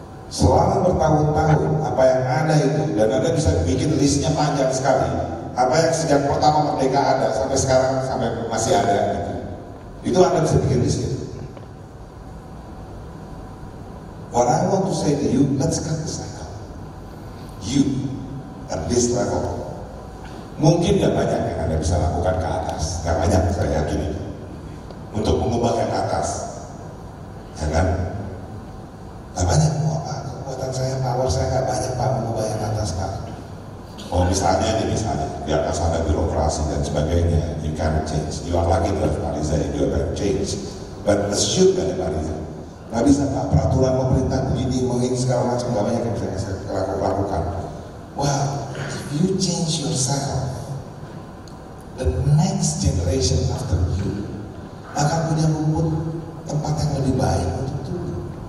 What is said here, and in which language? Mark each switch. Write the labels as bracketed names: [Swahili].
[Indonesian] Selama bertahun-tahun, apa yang ada itu, dan Anda bisa bikin listnya panjang sekali, apa yang sejak pertama merdeka ada sampai sekarang sampai masih ada gitu. Itu Anda bisa bikin di sini. [English] What I want to say to you, let's cut the cycle. You, at this level, [Indonesian] mungkin gak banyak yang Anda bisa lakukan ke atas. Gak banyak, saya yakin itu. Untuk mengubah yang atas. Ya kan? Gak banyak, apa? Kekuatan saya, power saya gak banyak, Pak, mengubah yang atas, Pak. Oh misalnya nih misalnya, di atas ada birokrasi dan sebagainya, [English] you can't change. You are lucky to have Pariza, you can change. But assume dari Pariza. [Indonesian] Gak bisa Pak, peraturan pemerintah begini, mungkin segala macam, gak banyak yang bisa saya lakukan. [English] Well, if you change yourself, the next generation after you [Indonesian] akan punya rumput tempat yang lebih baik untuk tumbuh.